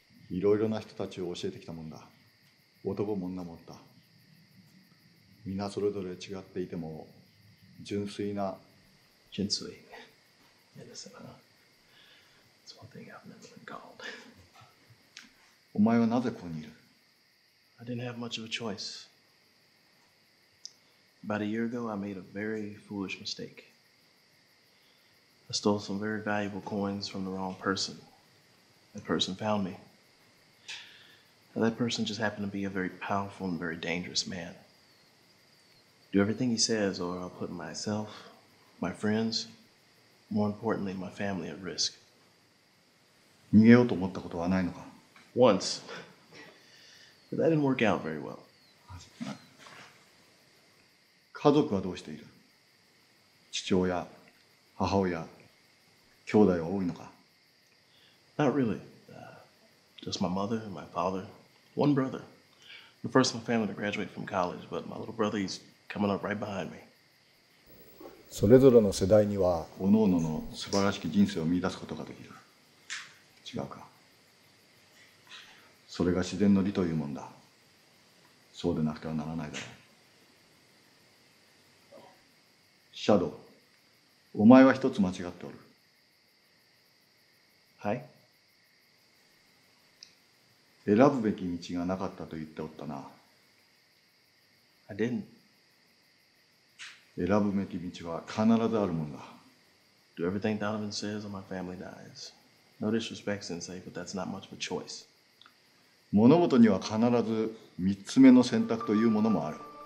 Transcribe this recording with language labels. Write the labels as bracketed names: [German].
[Japanese] いろいろな人たちを教えてきたもんだ。男も女もった。みんなそれぞれ違っていても純粋な純粋 [English] innocent, huh? That's one thing I've never been called. [Japanese] お前はなぜここにいる？ [English] I didn't have much of a choice. About a year ago, I made a very foolish mistake. I stole some very valuable coins from the wrong person. That person found me. Now, that person just happened to be a very powerful and very dangerous man. Do everything he says, or I'll put myself, my friends, more importantly, my family at risk. [Japanese] 逃げようと思ったことはないのか? [English] Once. But that didn't work out very well. [Japanese] 家族はどうしている?父親、母親、兄弟は多いのか? [English] Not really. Just my mother, my father, one brother. The first in my family to graduate from college, but my little brother, he's coming up right behind me. [Japanese] それぞれの世代には各々の素晴らしき人生を見出すことができる。違うか。それが自然の理というもんだ。そうでなくてはならないだろう。シャドウ、お前は一つ間違っておる。はい。選ぶべき道がなかったと言っておったな。 [English] I didn't. [Japanese] 選ぶべき道は必ずあるもんだ。 [English] Do everything Donovan says or my family dies. No disrespect, Sensei, but that's not much of a choice. [Japanese] 物事には必ず三つ目の選択というものもある。